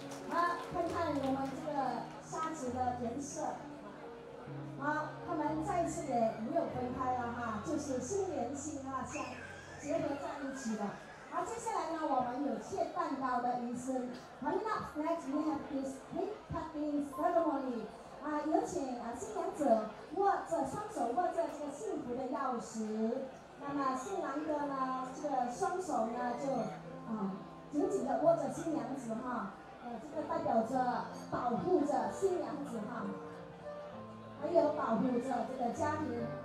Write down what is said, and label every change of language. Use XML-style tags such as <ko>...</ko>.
<zh>好，看看我们这个沙子的颜色。好，他们再次也没有分开了哈，就是心连心啊，相结合在一起的。好，接下来呢，我们有切蛋糕的仪式。</zh> <en>Coming up next, we have this cake cutting ceremony.</en> <zh>啊，有请啊，新娘子握着双手握着这个幸福的钥匙。那么新郎哥呢，这个双手呢就啊紧紧的握着新娘子哈，这个代表着保护着新娘子哈，还有保护着这个家庭。</zh>